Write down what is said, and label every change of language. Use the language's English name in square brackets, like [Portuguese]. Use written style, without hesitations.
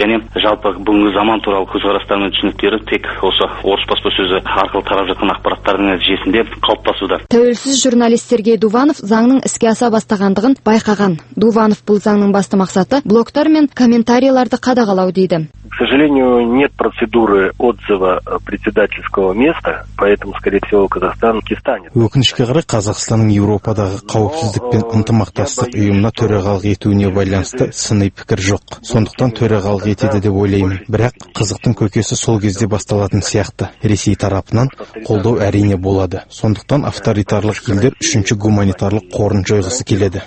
[Kazakh] Және жалпы бүгінгі заман туралы көзқарастары мен түсініктері тек осы орыс баспасөзі арқылы тарап жатқан ақпараттардың нәтижесінде қалыптасуда. Тәуелсіз журналистерге Дуванов заңның іске аса бастағандығын байқаған. Дуванов бұл заңның басты мақсаты блогтар мен комментарийларды қадағалау дейді. [Russian] К сожалению, нет процедуры отзыва председательского места, поэтому, скорее всего, Казахстан не станет. [Kazakh] Өкінішке қарай Қазақстанның Еуропадағы қауіпсіздік пен ынтымақтастық ұйымына төрағалық етуіне байланысты сыни пікір жоқ. Сондықтан төрағалық етеді деп ойлаймын. Бірақ қызықтың көкесі сол кезде басталатын сияқты. Ресей тарапынан қолдау әрине болады. Сондықтан авторитарлық елдер үшінші гуманитарлық қорын жойғысы келеді.